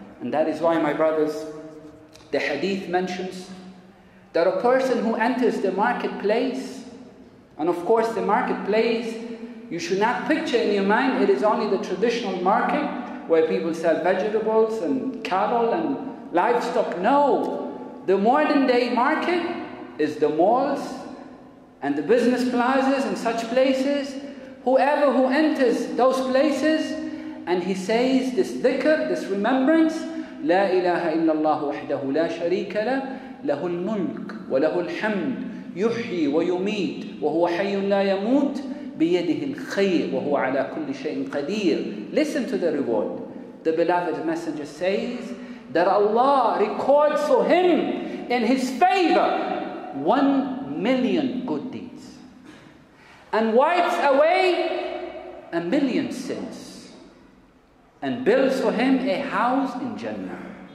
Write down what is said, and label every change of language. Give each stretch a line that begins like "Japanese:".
English: And that is why, my brothers, the hadith mentions that a person who enters the marketplace, and of course the marketplace, you should not picture in your mind, it is only the traditional market where people sell vegetables and cattle and livestock. No, the modern day market is the malls and the business plazas and such places. Whoever who enters those places and he says this dhikr, this remembrance,
Arabic: لا إله إلا الله وحده لا شريك له له الملك وله الحمد يحيي ويميت وهو حي لا يموت بيده الخير وهو على كل شيء قدير.
English: Listen to the reward. The beloved messenger says that Allah records for him in his favor 1 million good deeds and wipes away 1 million sins and builds for him a house in Jannah.